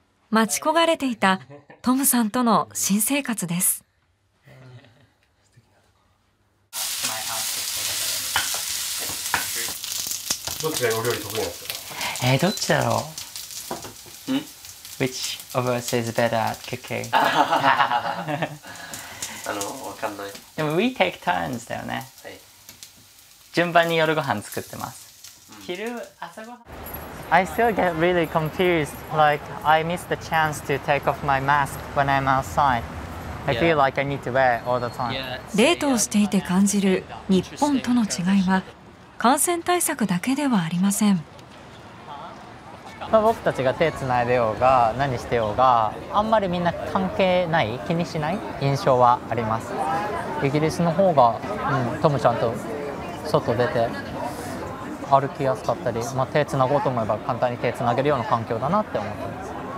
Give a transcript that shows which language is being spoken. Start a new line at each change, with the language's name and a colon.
Japanese: 待ち焦がれていたトムさんとの新生活です。どっちがお料理得意ですか？どっちだろう。
English: Which of us is better at cooking?
Japanese: わかんない。でも
English: We take turns
Japanese: だよね、はい、順番に夜ご飯作ってます、昼朝ごはん。
English: I still get really confused. Like, I miss the chance to take off my mask when I'm outside. I feel like I need to wear it all the time.
Japanese: 冷凍していて感じる日本との違いは感染対策だけではありません。まあ、僕たちが手つないでようが何してようがあんまりみんな関係ない、気にしない印象はあります。イギリスの方が、トムちゃんと外出て歩きやすかったり、まあ、手つなごうと思えば簡単に手つなげるような環境だなって思ってます。